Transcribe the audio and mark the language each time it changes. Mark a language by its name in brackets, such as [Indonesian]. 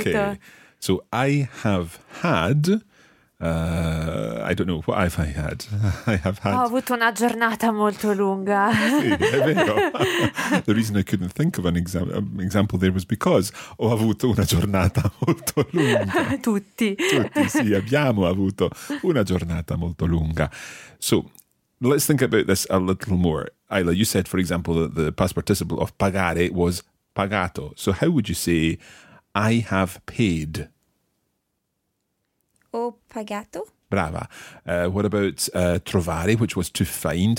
[English] Okay. So I have had... I don't know, what have I had? I have had... [Italian] Ho avuto una giornata molto lunga. Sì, è vero. [English] The reason I couldn't think of an example there was because [Italian] ho avuto una giornata molto lunga. Tutti. Tutti, sì, abbiamo avuto una giornata molto lunga. [English] So, let's think about this a little more. Ayla, you said, for example, that the past participle of pagare was pagato. So how would you say, I have paid... [Italian] Ho pagato. Brava. [English] What about trovare, which was to find?